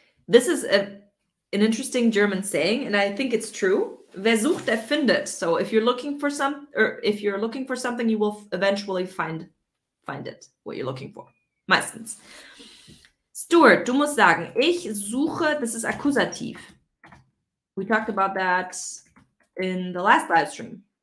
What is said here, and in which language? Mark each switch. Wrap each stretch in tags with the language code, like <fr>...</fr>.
<en>This is an interesting German saying, and I think it's true.</en> <de>Wer sucht, der findet.</de> <en>So if you're looking for if you're looking for something, you will eventually find it, what you're looking for.</en> <de>Meistens. Stuart, du musst sagen, ich suche, das ist Akkusativ.</de> <en>We talked about that in the last live stream.</en>